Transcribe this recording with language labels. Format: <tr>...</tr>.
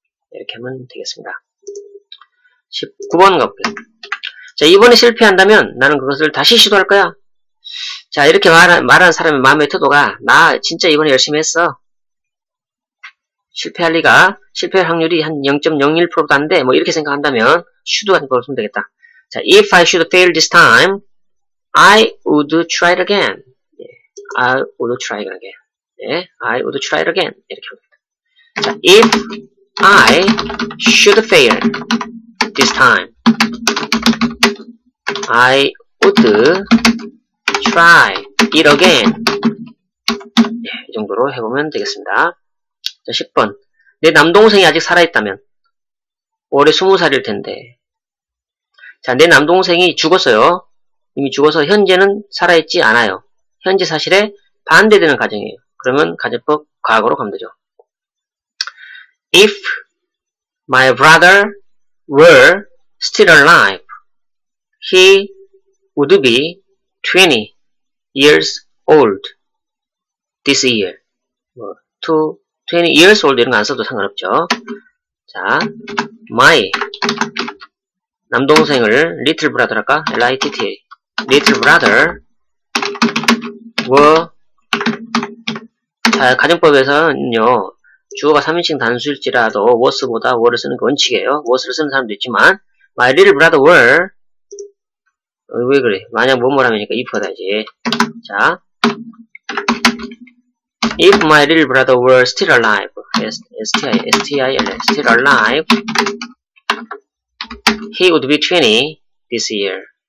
<ko>이렇게 하면 되겠습니다. 19번 가볼게요. 자, 이번에 실패한다면 나는 그것을 다시 시도할 거야. 자, 이렇게 말한 사람의 마음의 태도가, 나 진짜 이번에 열심히 했어. 실패할 리가, 실패할 확률이 한 0.01%도 안 돼. 뭐 이렇게 생각한다면, should 같은 걸 쓰면 되겠다.</ko> <en>자, if I should fail this time, I would try it again. I would try it again. I would try it again.</en> <ko>이렇게 합니다.</ko> <en>자, if I should fail this time, I would try it again.</en> <ko>예, 이 정도로 해보면 되겠습니다. 자, 10번. 내 남동생이 아직 살아있다면, 올해 20살일 텐데. 자, 내 남동생이 죽었어요. 이미 죽어서 현재는 살아있지 않아요. 현재 사실에 반대되는 가정이에요. 그러면 가정법 과거로 가면 되죠.</ko> <en>If my brother were still alive, he would be 20 years old this year.</en> <ko>뭐,</ko> <en>to 20 years old</en> <ko>이런 거 안 써도 상관없죠. 자, my 남동생을</ko> <en>little brother</en> <ko>할까? L-I-T-T.</ko> <en>Little brother were</en> <ko>가정법에서는요, 주어가 3인칭 단수일지라도 was보다 were를 쓰는 게 원칙이에요. was를 쓰는 사람도 있지만</ko> <en>my little brother were</en> <ko>왜 그래? 만약 뭐뭐라 하니까 if가 되지.</ko> <en>자, if my little brother were still alive, still alive, he would be 20 this year.</en>